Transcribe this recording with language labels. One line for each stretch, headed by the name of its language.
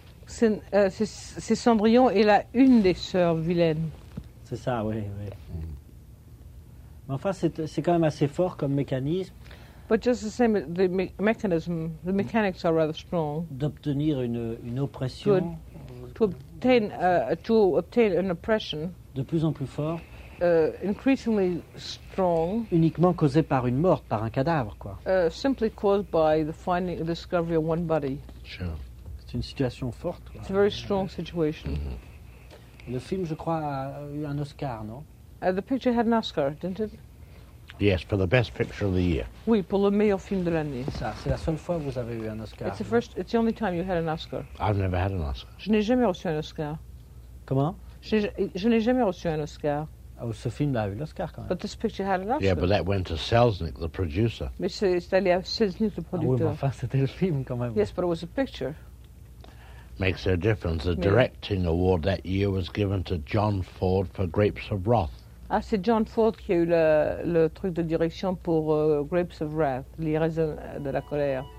French: C'est Cendrillon et la une des sœurs vilaines. C'est ça, oui, oui. Mm. Mais enfin, c'est quand même assez fort comme mécanisme.
English: But just the same, the mechanics are rather strong.
French: D'obtenir une oppression.
English: To obtain an oppression.
French: De plus en plus fort.
English: Increasingly strong.
French: Uniquement causé par une mort, par un cadavre, quoi.
English: Simply caused by the finding, the discovery of one body. Sure.
French: C'est une situation forte, quoi.
English: It's a very strong situation.
French: Mm-hmm. Le film, je crois, a eu un Oscar, non?
English: The picture had an Oscar, didn't it? Yes, for the best picture of the year.
French: Oui, pour le meilleur film de l'année. Ça, c'est la seule fois que vous avez eu un Oscar.
English: It's the only time you had an Oscar. I've never had an Oscar.
French: Je n'ai jamais reçu un Oscar. Comment? Je n'ai jamais reçu un Oscar. Oh, ce film-là a eu l'Oscar, quand même.
English: But this picture had an Oscar. Yeah, but that went to Selznick, the producer.
French: Mais c'est allé à Selznick, le producteur. Ah oui, mais enfin, c'était le film, quand même.
English: Yes, but it was a picture. Makes no difference. The directing award that year was given to John Ford for Grapes of Wrath.
French: Ah, c'est John Ford qui a eu le truc de direction pour Grapes of Wrath, les raisins de la colère.